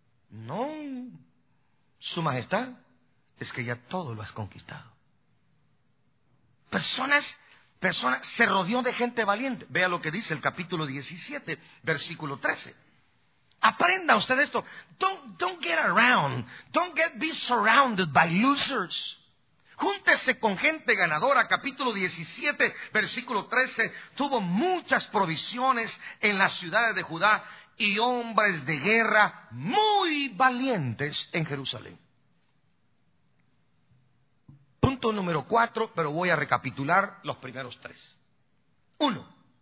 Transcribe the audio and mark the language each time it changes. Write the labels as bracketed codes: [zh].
[es] No, su majestad, es que ya todo lo has conquistado. Personas se rodeó de gente valiente. Vea lo que dice el capítulo 17, versículo 13. Aprenda usted esto. [en] Don't get around. Be surrounded by losers. [es] Júntese con gente ganadora. Capítulo 17, versículo 13. Tuvo muchas provisiones en las ciudades de Judá y hombres de guerra muy valientes en Jerusalén. Punto número 4, pero voy a recapitular los primeros 3. 1.